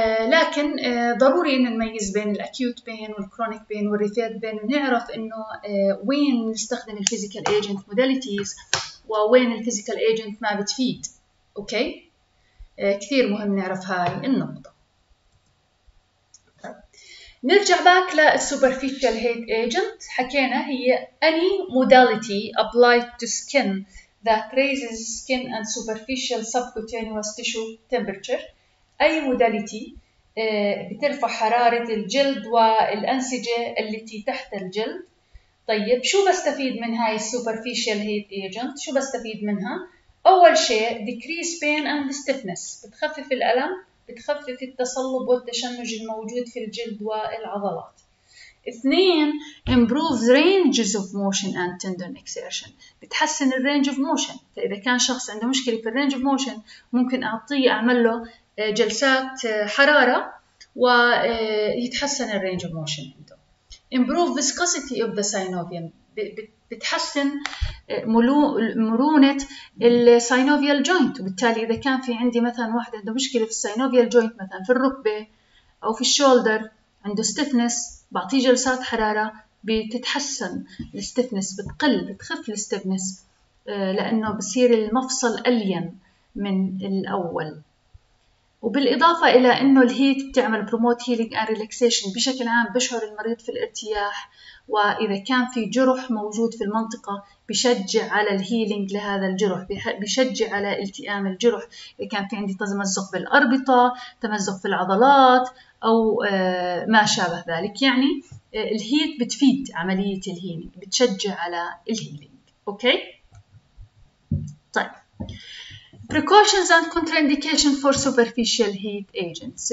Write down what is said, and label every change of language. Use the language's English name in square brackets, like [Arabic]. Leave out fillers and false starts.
[Arabic] لكن ضروري إن نميز بين الأكيوت بين والكرونيك بين والريفيرد بين، ونعرف إنه وين نستخدم الفيزيكال ايجنت موداليتيز ووين الفيزيكال ايجنت ما بتفيد، أوكي، كثير مهم نعرف هاي النقطة. نرجع باك للسوبرفيشال هيت ايجنت، حكينا هي [English] any modality applied to skin that raises skin and superficial subcutaneous tissue temperature. [Arabic] أي موداليتي بترفع حرارة الجلد والأنسجة التي تحت الجلد. طيب شو بستفيد من هاي superficial heat agent؟ شو بستفيد منها؟ أول شيء [English] decrease pain and stiffness، [Arabic] بتخفف الألم، بتخفف التصلب والتشنج الموجود في الجلد والعضلات. اثنين [English] improves ranges of motion and tendon exertion، [Arabic] بتحسن [English] range of motion. [Arabic] فإذا كان شخص عنده مشكلة في range of motion ممكن أعطيه أعمل له جلسات حرارة ويتحسن الرينج اوف موشن عنده. [English] improve viscosity of the synovium, [Arabic] بتحسن مرونة الساينوفيال جوينت، وبالتالي اذا كان في عندي مثلا واحد عنده مشكلة في الساينوفيال جوينت مثلا في الركبة او في الشولدر، عنده ستيفنس، بعطيه جلسات حرارة بتتحسن الستيفنس، بتقل، بتخف الستيفنس، لانه بصير المفصل ألين من الاول. وبالإضافة إلى أنه الهيت بتعمل [English] promote healing and relaxation [Arabic] بشكل عام، بشعر المريض في الارتياح، وإذا كان في جرح موجود في المنطقة بشجع على الهيلينج لهذا الجرح، بشجع على التئام الجرح. إذا كان في عندي تمزق بالأربطة، تمزق في العضلات أو ما شابه ذلك، يعني الهيت بتفيد عملية الهيلينج، بتشجع على الهيلينج. أوكي؟ طيب، [English] precautions and contraindications for superficial heat agents.